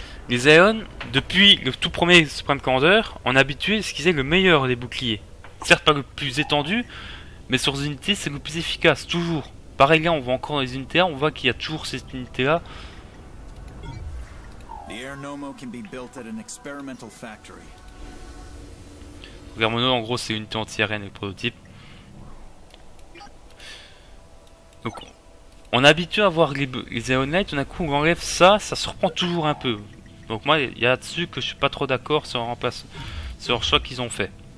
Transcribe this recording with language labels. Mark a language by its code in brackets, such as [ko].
[fr] Les Aeon, depuis le tout premier Supreme Commander, on a habitué à ce qu'ils aient le meilleur des boucliers. Certes pas le plus étendu, mais sur les unités c'est le plus efficace, toujours. Pareil là, on voit encore dans les unités, on voit qu'il y a toujours cette unité là. [en] The Air Nomo can be built at an experimental factory. [fr] Vermono, en gros, c'est une unité anti-aérienne avec prototype. Donc, on est habitué à voir les Aeon Light, tout d'un coup on enlève ça, ça surprend toujours un peu. Donc, moi, il y a là-dessus que je suis pas trop d'accord sur leur choix qu'ils ont fait.